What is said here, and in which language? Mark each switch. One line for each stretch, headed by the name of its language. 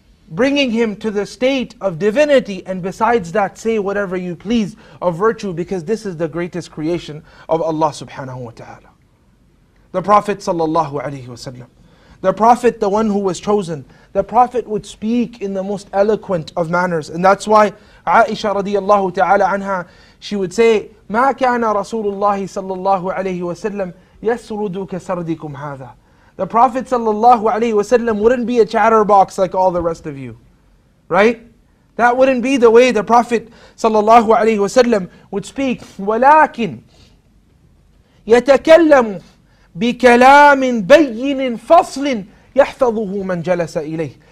English: bringing him to the state of divinity, and besides that, say whatever you please of virtue, because this is the greatest creation of Allah subhanahu wa ta'ala. The Prophet sallallahu alayhi wa sallam, the Prophet, the one who was chosen, the Prophet would speak in the most eloquent of manners. And that's why Aisha radiallahu ta'ala anha, she would say,
Arabic: مَا كَانَ رَسُولُ اللَّهِ صَلَّى اللَّهُ عَلَيْهِ وَسَلَّمْ يَسْرُدُ كَسَرْدِكُمْ هَذَا.
English: The Prophet sallallahu alayhi wasallam wouldn't be a chatterbox like all the rest of you. Right? That wouldn't be the way the Prophet sallallahu alayhi wasallam would speak.
Arabic: وَلَكِنْ يَتَكَلَّمُ بِكَلَامٍ بَيِّنٍ فَصْلٍ يَحْفَظُهُ مَنْ جَلَسَ إِلَيْهِ.